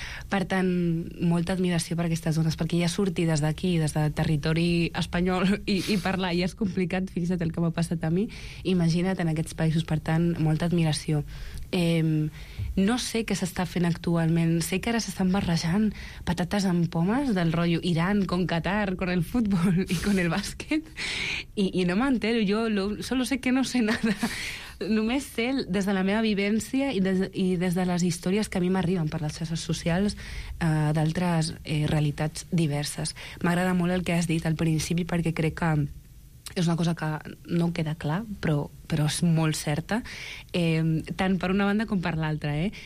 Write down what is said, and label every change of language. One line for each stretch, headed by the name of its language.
Catalan: Per tant, molta admiració per aquestes dones, perquè ja sortir des d'aquí, des del territori espanyol, i parlar ja és complicat, fixa't el que m'ha passat a mi, imagina't en aquests països. Per tant, molta admiració. No sé què s'està fent actualment. Sé que ara s'estan barrejant patates amb pomes del rotllo Iran
Spanish: con Qatar, con el futbol
Catalan: i
Spanish: con el
Catalan: bàsquet. I no m'entero, jo
Spanish: solo sé que no sé nada.
Catalan: Només sé des de la meva vivència i des de les històries que a mi m'arriben per les xarxes socials d'altres realitats diverses. M'agrada molt el que has dit al principi, perquè crec que és una cosa que no queda clar, però és molt certa, tant per una banda com per l'altra.